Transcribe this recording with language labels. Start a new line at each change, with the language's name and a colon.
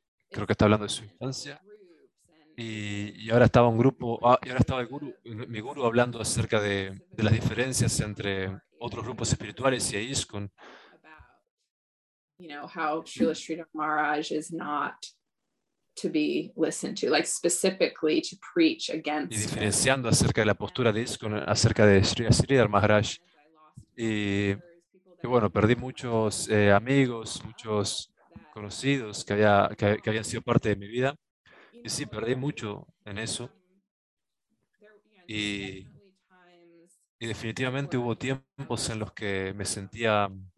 Spanish: Creo que está hablando de su infancia. Y ahora estaba un grupo, y ahora estaba mi gurú hablando acerca de las diferencias entre otros grupos espirituales y a ISKCON.
English: You know, how Srila Sridhar Maharaj is not to be listened to, like specifically to preach against.
Spanish: Y diferenciando acerca de la postura de ISKCON acerca de Sridhar Maharaj. Y bueno, perdí muchos amigos, muchos conocidos que habían sido parte de mi vida. Y sí, perdí mucho en eso. Y definitivamente hubo tiempos en los que me sentía.